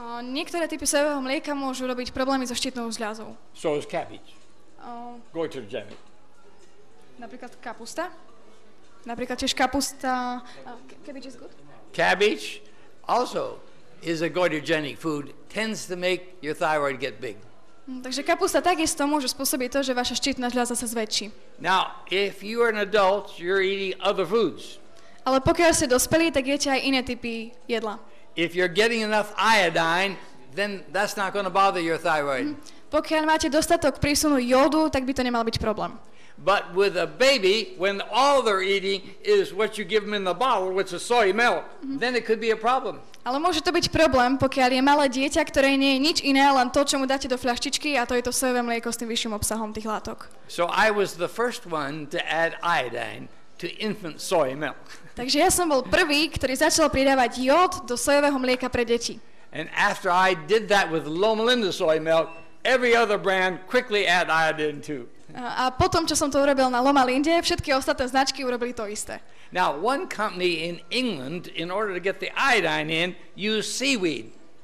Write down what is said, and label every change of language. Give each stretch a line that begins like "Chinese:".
Slovak: Niektoré typy sojového mlieka môžu robiť problémy so štítnou žľazou.
English: So is cabbage. Goitrogenic.
Slovak: Napríklad kapusta. Napríklad tiež kapusta.
English: Cabbage is good. Cabbage also is a goitrogenic food, tends to make your thyroid get big.
Slovak: Takže kapusta takisto môže spôsobiť to, že vaša štítna žľaza sa zväčší.
English: Now, if you are an adult, you're eating other foods.
Slovak: Ale pokiaľ ste dospelí, tak jete aj iné typy jedla.
English: If you're getting enough iodine, then that's not going to bother your thyroid.
Slovak: Pokiaľ máte dostatok prísunu jódu, tak by to nemal byť problém.
English: But with a baby, when all they're eating is what you give them in the bottle, which is soy milk, then it could be a problem.
Slovak: Ale môže to byť problém, pokiaľ je malé dieťa, ktoré nie je nič iné, len to, čo mu dáte do fľaštičky, a to je to sojové mlieko s tým vyšším obsahom tých látok.
English: So I was the first one to add iodine to infant soy milk.
Slovak: Takže ja som bol prvý, ktorý začal pridávať jód do sojového mlieka pre deti.
English: And after I did that with Loma Linda soy milk, every other brand quickly add iodine too.
Slovak: A potom, čo som to urobil na Loma Linde, všetky ostatné značky urobili to isté.
English: Now, one company in England, in order to get the iodine in, used seaweed.